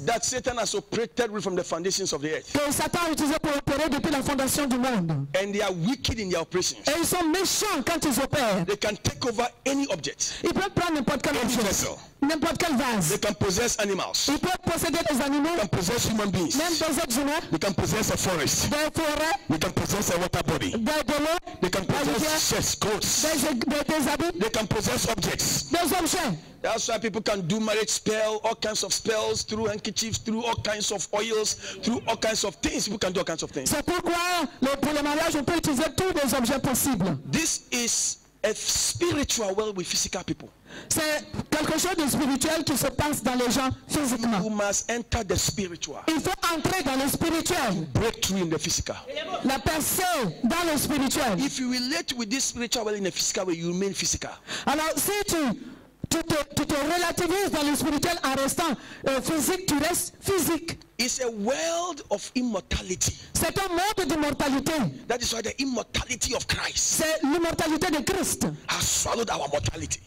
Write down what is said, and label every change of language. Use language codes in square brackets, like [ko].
[en] That Satan has operated from the foundations of the earth. [fr] Que Satan a utilisé pour opérer depuis la fondation du monde. [en] And they are wicked in their operations. [fr] Et ils sont méchants quand ils opèrent. [en] They can take over any object. [fr] Ils peuvent prendre n'importe quel objet. N'importe quel vase. [en] They can possess animals. [fr] Ils peuvent posséder des animaux. [en] They can possess human beings. [fr] Même des êtres humains. [en] They can possess a forest. [fr] Des forêts. [en] They can possess a water body. [fr] Des l'eau. [en] They can possess chests, coats. [fr] Des habits. [en] They can possess objects. [fr] Des objets. [en] That's why people can do marriage spell, all kinds of spells, through handkerchiefs, through all kinds of oils, through all kinds of things. People can do all kinds of things. [fr] C'est pourquoi pour le mariage on peut utiliser tous les objets possibles. [en] This is a spiritual world with physical people. [fr] C'est quelque chose de spirituel qui se passe dans les gens physiquement. [en] You must enter the spiritual. [fr] Il faut entrer dans le spirituel. [en] You break through in the physical. [fr] La percée dans le spirituel. [en] If you relate with this spiritual world in a physical way, you remain physical. [fr] Alors, si tu te relativises dans le spirituel en restant physique, tu restes physique. [en] It's a world of immortality. [fr] C'est un monde d'immortalité. [en] That is why the immortality of Christ. [fr] C'est l'immortalité de Christ. [en] Has swallowed our mortality.